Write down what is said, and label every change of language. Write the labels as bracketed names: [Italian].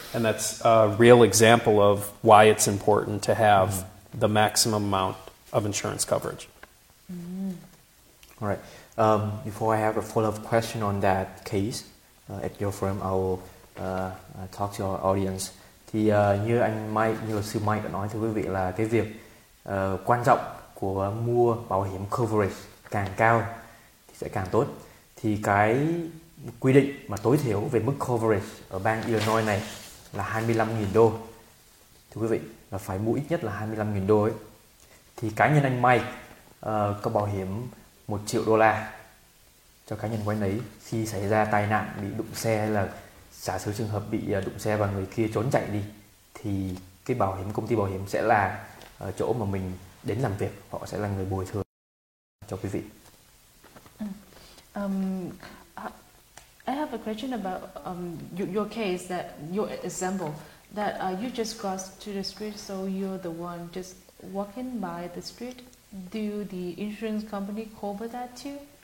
[English] And that's a real example of why it's important to have the maximum amount of insurance coverage. All right. Before I have a follow-up question on that case at your firm, I will talk to our audience. [Vietnamese] Thì như anh Mike, như luật sư Mike đã nói thưa quý vị là cái việc quan trọng của mua bảo hiểm coverage càng cao thì sẽ càng tốt. Thì cái quy định mà tối thiểu về mức coverage ở bang Illinois này là 25.000 đô. Thưa quý vị, là phải mua ít nhất là 25.000 đô ấy. Thì cá nhân anh Mike có bảo hiểm 1 triệu đô la cho cá nhân của anh ấy khi xảy ra tai nạn, bị đụng xe, hay là giả sử trường hợp bị đụng xe và người kia trốn chạy đi, thì cái bảo hiểm công ty bảo hiểm sẽ là chỗ mà mình đến làm việc, họ sẽ là người bồi thường cho quý vị. [English] I have a question about your case, that your example that you just crossed to the street, so you're the one just walking by the street. Do the insurance company cover that too?